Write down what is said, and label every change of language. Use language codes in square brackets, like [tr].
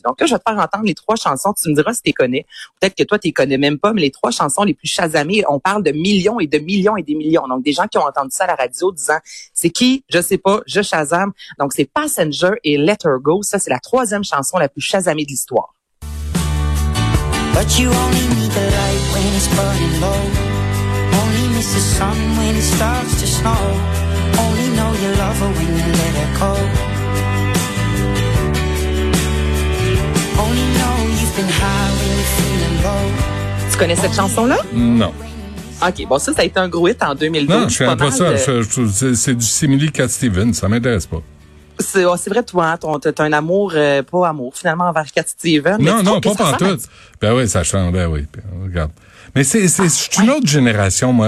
[fr] Donc là, je vais te faire entendre les trois chansons, tu me diras si tu les connais. Peut-être que toi, tu les connais même pas, mais les trois chansons les plus Shazamées, on parle de millions et de millions et des millions. Donc des gens qui ont entendu ça à la radio disant, c'est qui? Je sais pas, je Shazam. Donc c'est Passenger et Let Her Go. Ça, c'est la troisième chanson la plus Shazamée de l'histoire. [en] But you only need the light when it's burning low. Only miss the sun when it starts to snow. Only know you love her when you let her go. Only know you've been high when you're feeling low. [fr] Tu connais cette chanson-là? Non. OK, bon, ça a été un gros hit en 2012. Non, je suis pas mal ça. C'est du simili Cat Stevens, ça m'intéresse pas. C'est vrai, toi, hein, t'as un amour, pas amour, finalement, envers Cat Stevens. Non, pas pantoute. Ben oui, ça change, ben oui, regarde. Mais c'est une autre génération, moi.